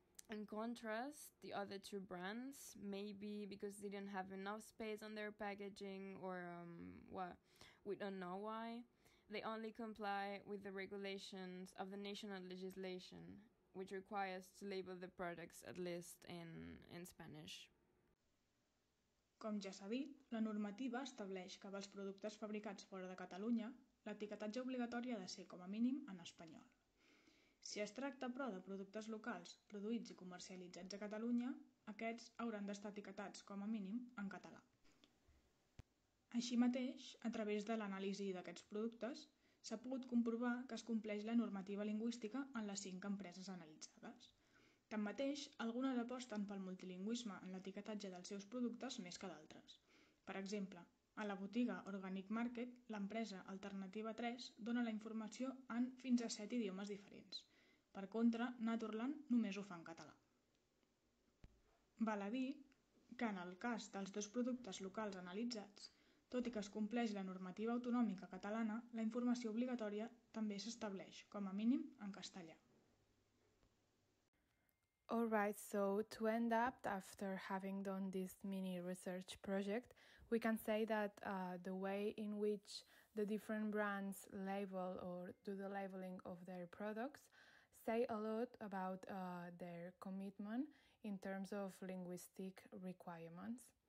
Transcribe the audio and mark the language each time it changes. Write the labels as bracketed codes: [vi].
[en] In contrast, the other two brands, maybe because they didn't have enough space on their packaging or we don't know why, they only comply with the regulations of the national legislation, which requires to label the products at least in Spanish. [ca] Com ja s'ha dit, la normativa estableix que pels productes fabricats fora de Catalunya, l'etiquetatge obligatori ha de ser com a mínim en espanyol. Si es tracta, però, de productes locals produïts i comercialitzats a Catalunya, aquests hauran d'estar etiquetats com a mínim en català. Així mateix, a través de l'anàlisi d'aquests productes, s'ha pogut comprovar que es compleix la normativa lingüística en les 5 empreses analitzades. Tanmateix, algunes aposten pel multilingüisme en l'etiquetatge dels seus productes més que d'altres. Per exemple, a la botiga Organic Market, l'empresa Alternativa 3 dona la informació en fins a 7 idiomes diferents. Per contra, Natureland només ho fa en català. Val a dir que en el cas dels dos productes locals analitzats, tot i que es compleix la normativa autonòmica catalana, la informació obligatòria també s'estableix, com a mínim, en castellà. [en] All right, so to end up, after having done this mini research project, we can say that the way in which the different brands label or do the labeling of their products say a lot about their commitment in terms of linguistic requirements.